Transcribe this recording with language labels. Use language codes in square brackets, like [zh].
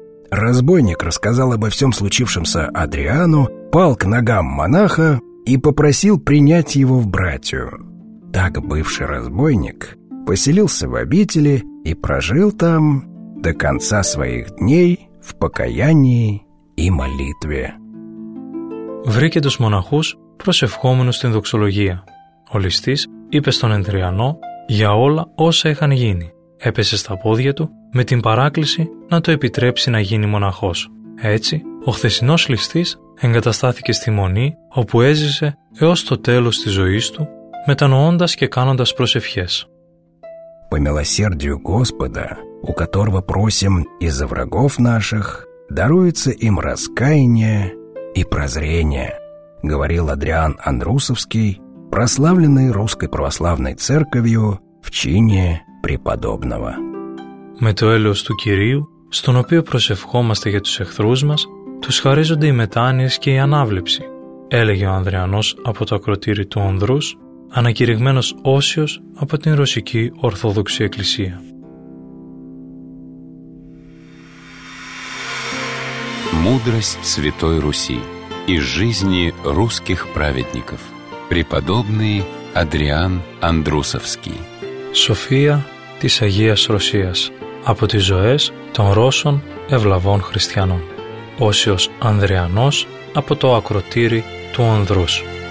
[ru] Разбойник рассказал обо всем случившемся Адриану, пал к ногам монаха и попросил принять его в братию. Так бывший разбойник поселился в обители и прожил там до конца своих дней в покаянии и молитве. [el] Βρήκε τους μοναχούς προσευχόμενους στην δοξολογία. Ο ληστής είπε στον Ανδριανό για όλα όσα είχαν γίνει. Έπεσε στα πόδια του με την παράκληση να το επιτρέψει να γίνει μοναχός. Έτσι, ο χθεσινός ληστής εγκαταστάθηκε στη μονή όπου έζησε έως το τέλος της ζωής του, μετανοώντας και κάνοντας προσευχές. [ru] «По милосердию Господа, у которого просим из-за врагов наших, даруется им раскаяние и прозрение», говорил Адриан Андрусовский, прославленный Русской Православной Церковью в чине преподобного. [el] Με το έλεος του Κυρίου, στον οποίο προσευχόμαστε για τους εχθρούς μας, τους χαρίζονται οι μετάνοιες και η ανάβλεψη, έλεγε ο Ανδριανός από το ακροτήρι του Ανδρούς, ανακηρυγμένος όσιος από την Ρωσική Ορθόδοξη Εκκλησία. [ru] Μούδρος Σβητόι Ρουσί. из жизни русских праведников. Преподобный Адриан Андрусовский. [el] София της Αγίας Ρωσίας. Από τις ζωές των Ρώσων ευλαβών χριστιανών. Όσιος Ανδριανός από το ακροτήρι του Ανδρούς.